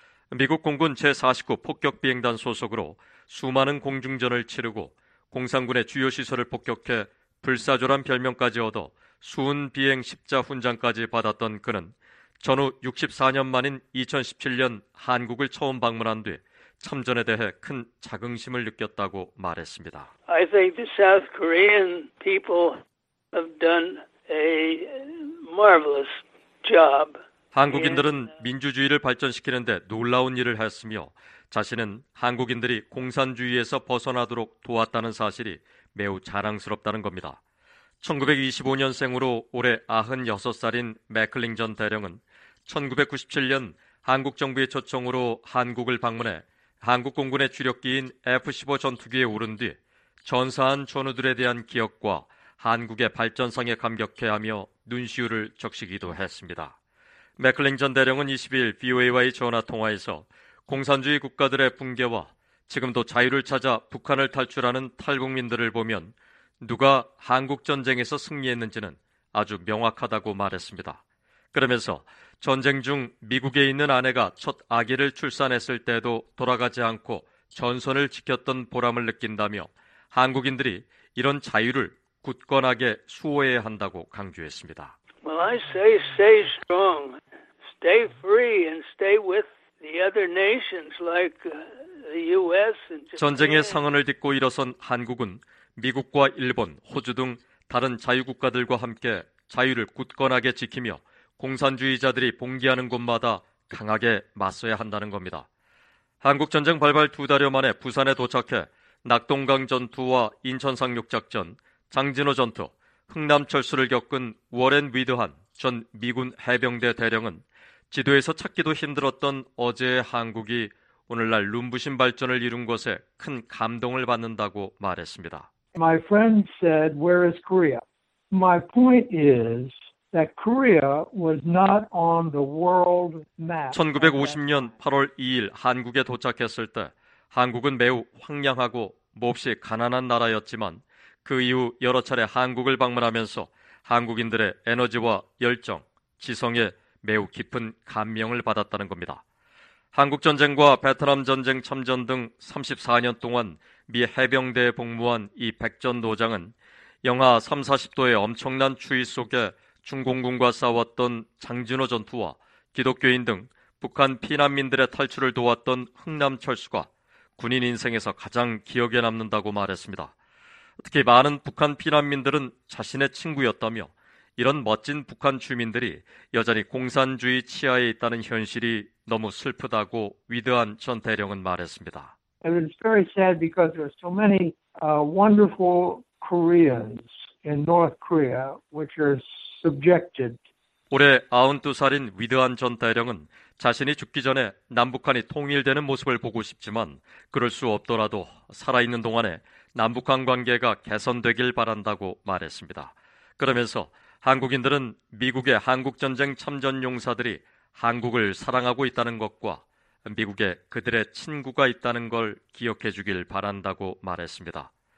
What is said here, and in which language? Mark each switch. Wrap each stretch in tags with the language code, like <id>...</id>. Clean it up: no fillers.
<ko>미국 공군 제49 폭격비행단 소속으로 수많은 공중전을 치르고 공산군의 주요 시설을 폭격해 불사조란 별명까지 얻어 수은 비행 십자 훈장까지 받았던 그는 전후 64년 만인 2017년 한국을 처음 방문한 뒤 참전에 대해 큰 자긍심을 느꼈다고 말했습니다.</ko> <en>I think the South Korean people have done a marvelous job.</en> <ko>한국인들은 민주주의를 발전시키는데 놀라운 일을 했으며 자신은 한국인들이 공산주의에서 벗어나도록 도왔다는 사실이 매우 자랑스럽다는 겁니다. 1925년생으로 올해 96살인 맥클링 전 대령은 1997년 한국 정부의 초청으로 한국을 방문해 한국 공군의 주력기인 F-15 전투기에 오른 뒤 전사한 전우들에 대한 기억과 한국의 발전상에 감격해하며 눈시울을 적시기도 했습니다. 맥클링 전 대령은 22일 VOA와의 전화통화에서 공산주의 국가들의 붕괴와 지금도 자유를 찾아 북한을 탈출하는 탈북민들을 보면 누가 한국전쟁에서 승리했는지는 아주 명확하다고 말했습니다. 그러면서 전쟁 중 미국에 있는 아내가 첫 아기를 출산했을 때도 돌아가지 않고 전선을 지켰던 보람을 느낀다며 한국인들이 이런 자유를 굳건하게 수호해야 한다고 강조했습니다.</ko> <en>Well, I say stay strong. Stay free and stay with the other nations like the US and Japan.</en> <ko>전쟁의 상흔을 딛고 일어선 한국은 미국과 일본, 호주 등 다른 자유국가들과 함께 자유를 굳건하게 지키며 공산주의자들이 봉기하는 곳마다 강하게 맞서야 한다는 겁니다. 한국전쟁 발발 두 달여 만에 부산에 도착해 낙동강 전투와 인천상륙작전, 장진호 전투, 흥남 철수를 겪은 워렌 위드한 전 미군 해병대 대령은 지도에서 찾기도 힘들었던 어제의 한국이 오늘날 눈부신 발전을 이룬 것에 큰 감동을 받는다고 말했습니다.</ko> <en>My friend said, "Where is Korea?" My point is, that Korea was not on the world map.</en> <ko>1950년 8월 2일 한국에 도착했을 때 한국은 매우 황량하고 몹시 가난한 나라였지만 그 이후 여러 차례 한국을 방문하면서 한국인들의 에너지와 열정, 지성에 매우 깊은 감명을 받았다는 겁니다. 한국전쟁과 베트남전쟁 참전 등 34년 동안 미 해병대에 복무한 이 백전 노장은 영하 30-40도의 엄청난 추위 속에 중공군과 싸웠던 장진호 전투와 기독교인 등 북한 피난민들의 탈출을 도왔던 흥남 철수가 군인 인생에서 가장 기억에 남는다고 말했습니다. 특히 많은 북한 피난민들은 자신의 친구였다며 이런 멋진 북한 주민들이 여전히 공산주의 치하에 있다는 현실이 너무 슬프다고 위드한 전 대령은 말했습니다.</ko> <en>It was very sad because there are so many wonderful Koreans in North Korea which are subjected.</en> <ko>올해 92살인 위드한 전 대령은 자신이 죽기 전에 남북한이 통일되는 모습을 보고 싶지만 그럴 수 없더라도 살아있는 동안에 남북한 관계가 개선되길 바란다고 말했습니다. 그러면서 한국인들은 미국의 한국전쟁 참전용사들이 한국을 사랑하고 있다는 것과 미국에 그들의 친구가 있다는 걸 기억해 주길 바란다고 말했습니다.</ko>